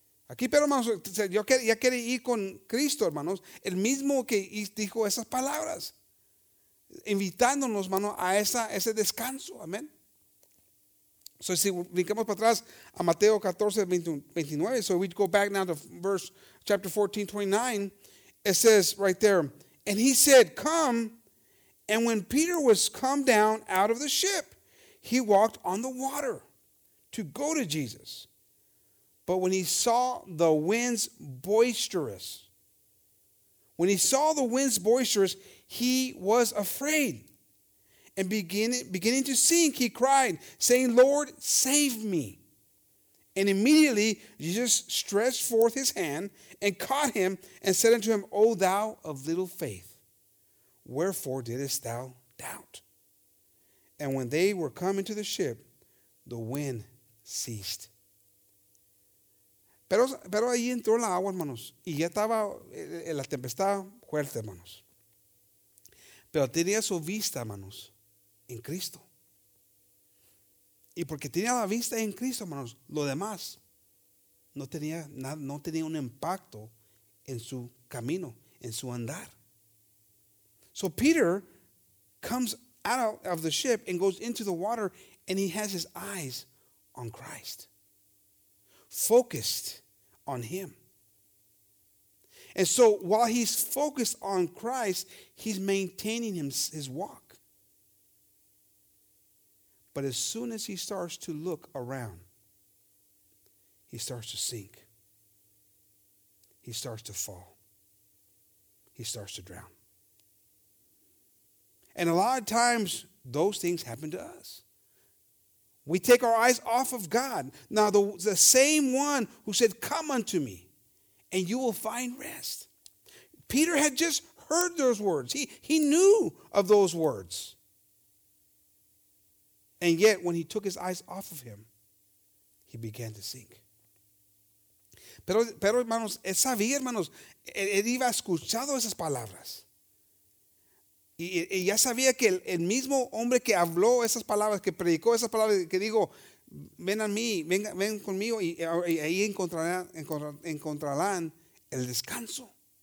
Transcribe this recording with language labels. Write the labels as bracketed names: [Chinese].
[Spanish] Aquí Pedro, hermanos, ya quiere ir con Cristo, hermanos. El mismo que dijo esas palabras. Invitándonos, hermanos, a ese descanso. Amén. So si brincamos para atrás a Mateo 14, 29. [English] So we go back now to verse chapter 14, 29. It says right there, and he said, come. And when Peter was come down out of the ship, he walked on the water to go to Jesus. But when he saw the winds boisterous, he was afraid. And beginning to sink, he cried, saying, Lord, save me. And immediately Jesus stretched forth his hand and caught him and said unto him, O thou of little faith, wherefore didst thou doubt? And when they were come into the ship, the wind ceased. [Spanish] Pero ahí entró la agua, hermanos, y ya estaba en la tempestad fuerte, hermanos. Pero tenía su vista, hermanos, en Cristo. Y porque tenía la vista en Cristo, hermanos, lo demás no tenía nada, no tenía un impacto en su camino, en su andar. [English] So Peter comes out of the ship and goes into the water, and he has his eyes on Christ, focused on him. And so while he's focused on Christ, he's maintaining his walk. But as soon as he starts to look around, he starts to sink. He starts to fall. He starts to drown. And a lot of times, those things happen to us. We take our eyes off of God. Now, the same one who said, come unto me, and you will find rest. Peter had just heard those words. He knew of those words. And yet, when he took his eyes off of him, he began to sink. [Spanish] Pero hermanos, él sabía, hermanos, él iba escuchando esas palabras. Y ya sabía que el mismo hombre que habló esas palabras, que predicó esas palabras, que dijo, ven a mí, ven conmigo, y ahí encontrarán el descanso.